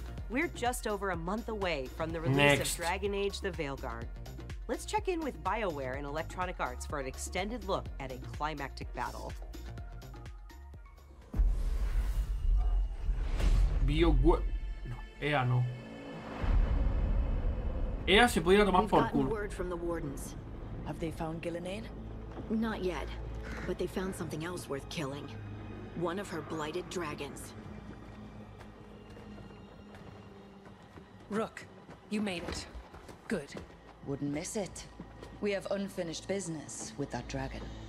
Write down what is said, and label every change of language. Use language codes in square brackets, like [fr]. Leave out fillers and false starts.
[en] We're just over a month away from the release Next. Of Dragon Age: The Veilguard. Let's check in with BioWare and Electronic Arts for an extended look at a climactic battle. [es] BioWare, no, EA no. EA se podía tomar por culo. [en] Word from the wardens. Have they found Ghislaine? Not yet, but they found something else worth killing. One of her blighted dragons. Rook, you made it. Good. Wouldn't miss it. We have unfinished business with that dragon.